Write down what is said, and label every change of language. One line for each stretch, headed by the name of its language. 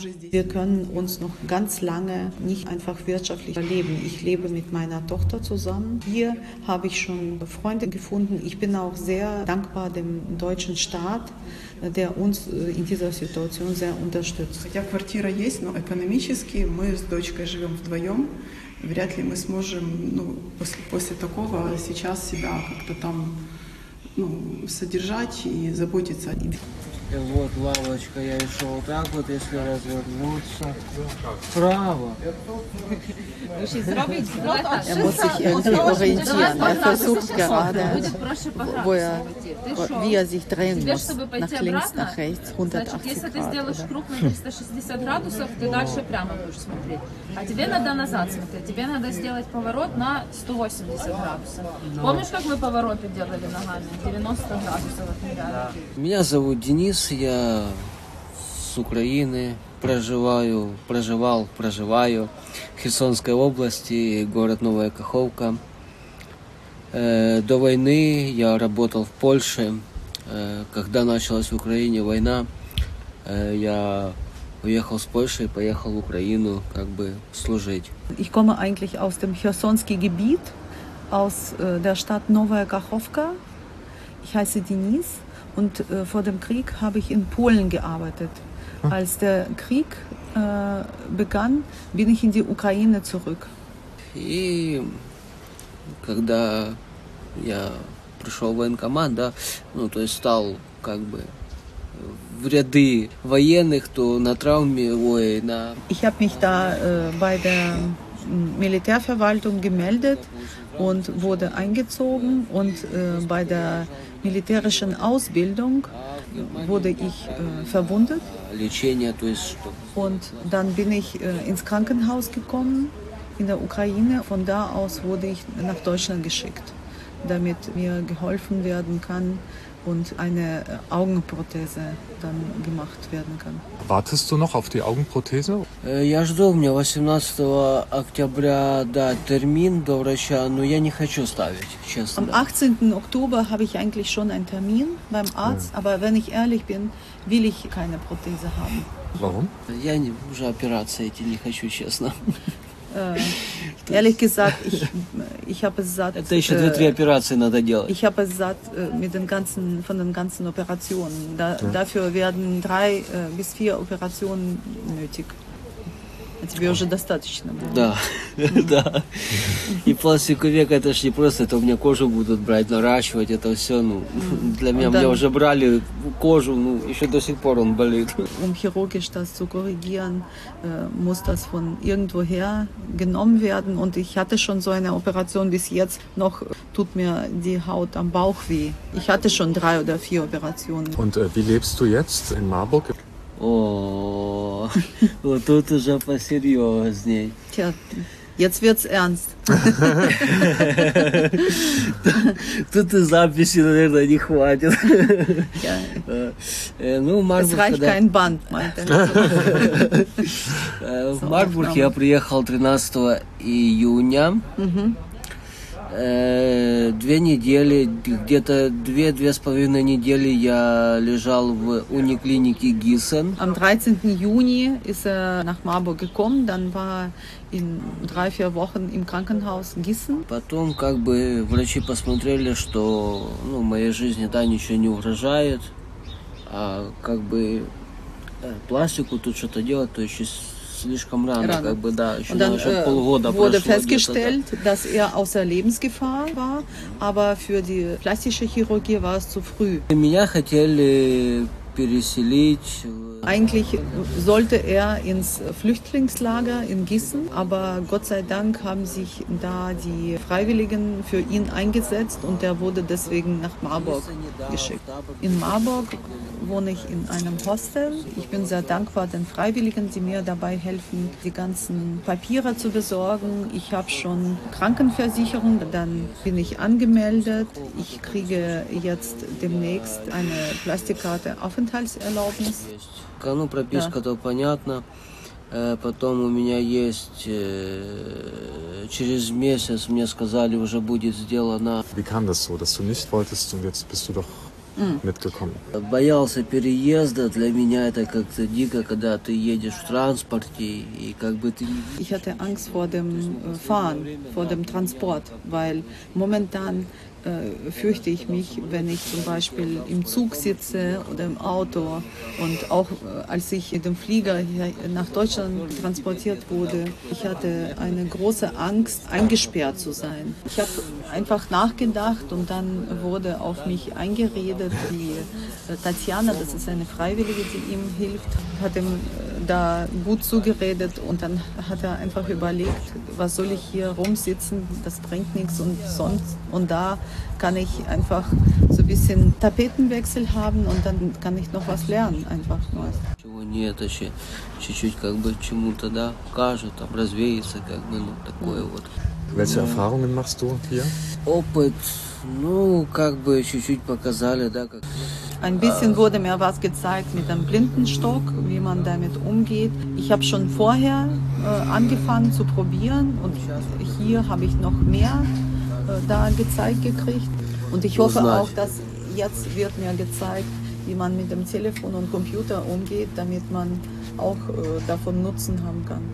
German: Wir können uns noch ganz lange nicht einfach wirtschaftlich leben. Ich lebe mit meiner Tochter zusammen. Hier habe ich schon Freunde gefunden. Ich bin auch sehr dankbar dem deutschen Staat, der uns in dieser Situation sehr unterstützt.
Russian: Хотя квартира есть, но экономически мы с дочкой живем вдвоем. Вряд ли мы сможем, ну, после такого сейчас себя как-то там, ну, содержать и заботиться о ней. И вот лавочка, я еще вот так вот, если развернуться. Справа.
German: Er muss sich irgendwie orientieren. Er versucht gerade, wo er, wie er sich drehen muss. Nach links, nach rechts, 180 Grad.
Russian: А тебе надо назад смотреть, тебе надо сделать поворот на 180 градусов. Помнишь, как мы повороты делали ногами? 90 градусов. Да. Меня зовут Денис, я с Украины, проживаю в Херсонской области, город Новая Каховка. До войны я работал в Польше. Когда началась в Украине война, я уехал с Польши и поехал в Украину, как бы служить.
German: Ich komme eigentlich aus dem Chersonskij Gebiet, aus der Stadt Nowa Kachowka. Ich heiße Denis und vor dem Krieg habe ich in Polen gearbeitet. Als der Krieg begann, bin ich in die Ukraine zurück.
Russian: И когда я пришел в военкомат, да, ну то есть стал как бы в ряды военных, то на травме, ой, на...
German: Ich habe mich da bei der Militärverwaltung gemeldet und wurde eingezogen und bei der militärischen Ausbildung wurde ich verwundet.
Russian: Лечение, то есть что?
German: Und dann bin ich ins Krankenhaus gekommen in der Ukraine. Von da aus wurde ich nach Deutschland geschickt, damit mir geholfen werden kann und eine Augenprothese dann gemacht werden kann. Wartest du noch auf die Augenprothese?
Russian: Я жду, у меня 18 октября, да, термин до врача, но я не хочу ставить, честно.
German: Am 18. Oktober habe ich eigentlich schon einen Termin beim Arzt, aber wenn ich ehrlich bin, will ich keine Prothese haben. Warum?
Russian: Я не, уже операции эти не хочу, честно.
German: Ehrlich gesagt, ich habe es satt.
Russian: Это еще две-три операции надо делать.
German: Ich habe es satt mit den ganzen, von den ganzen Operationen. Da, dafür werden drei bis vier Operationen nötig.
Russian: Тебе уже достаточно было. Да, да. И пластиковек, это ж не просто, это у меня кожу будут брать, наращивать, это все, ну, для меня, мне уже брали кожу, ну, еще до сих пор он болит.
German: Um chirurgisch das zu korrigieren, muss das von irgendwoher genommen werden. Und ich hatte schon so eine Operation, bis jetzt noch tut mir die Haut am Bauch weh. Ich hatte schon drei oder vier Operationen. Und wie lebst du jetzt in Marburg?
Russian: О, вот тут уже посерьезней.
German: Jetzt wird's ernst.
Russian: Тут и записи, наверное, не хватит. Ну,
German: Marburg, es reicht kein Band, meinte.
Russian: В Марбург я приехал 13 июня. Две недели, где-то две-две с половиной недели я лежал в униклинике Гиссен.
German: Am 13. Juni ist er nach Marburg gekommen, dann war in drei-vier Wochen im Krankenhaus Gießen.
Russian: Потом как бы врачи посмотрели, что, ну, моей жизни, да, ничего не угрожает, а как бы пластику тут что-то делать, то еще слишком рано, рано, как бы, да, еще,
German: dann,
Russian: еще полгода
German: wurde
Russian: прошло.
German: Festgestellt,
Russian: где-то, да.
German: Dass er außer Lebensgefahr war, aber für die plastische Chirurgie war es zu früh.
Russian: Меня хотели переселить.
German: Eigentlich sollte er ins Flüchtlingslager in Gießen, aber Gott sei Dank haben sich da die Freiwilligen für ihn eingesetzt und er wurde deswegen nach Marburg geschickt. In Marburg wohne ich in einem Hostel. Ich bin sehr dankbar den Freiwilligen, die mir dabei helfen, die ganzen Papiere zu besorgen. Ich habe schon Krankenversicherung, dann bin ich angemeldet. Ich kriege jetzt demnächst eine Plastikkarte Aufenthaltserlaubnis.
Russian: Ну, прописка, то понятно. Потом у меня есть через месяц мне сказали, уже будет сделано.
German: Wie kam das so, dass du nicht wolltest und jetzt bist du doch mitgekommen?
Russian: Боялся переезда. Для меня это как-то дико, когда ты едешь в транспорте и как бы ты.
German: Ich hatte Angst vor dem Fahren, vor dem Transport, weil momentan fürchte ich mich, wenn ich zum Beispiel im Zug sitze oder im Auto und auch als ich mit dem Flieger nach Deutschland transportiert wurde, ich hatte eine große Angst, eingesperrt zu sein. Ich habe einfach nachgedacht und dann wurde auf mich eingeredet. gerettet. Die Tatjana, das ist eine Freiwillige, die ihm hilft, hat ihm da gut zugeredet und dann hat er einfach überlegt, was soll ich hier rumsitzen, das bringt nichts und sonst. Und da kann ich einfach so ein bisschen Tapetenwechsel haben und dann kann ich noch was lernen, einfach nur.
Russian: Нет, вообще чуть-чуть как бы чему-то, да, кажут, там развеется, как бы, ну, такое вот.
German: Welche Erfahrungen machst du hier?
Russian: Опыт, ну, как бы чуть-чуть показали, да, как...
German: Ein bisschen wurde mir was gezeigt mit dem Blindenstock, wie man damit umgeht. Ich habe schon vorher angefangen zu probieren und hier habe ich noch mehr da gezeigt gekriegt. Und ich hoffe auch, dass jetzt wird mir gezeigt, wie man mit dem Telefon und Computer umgeht, damit man auch davon Nutzen haben kann.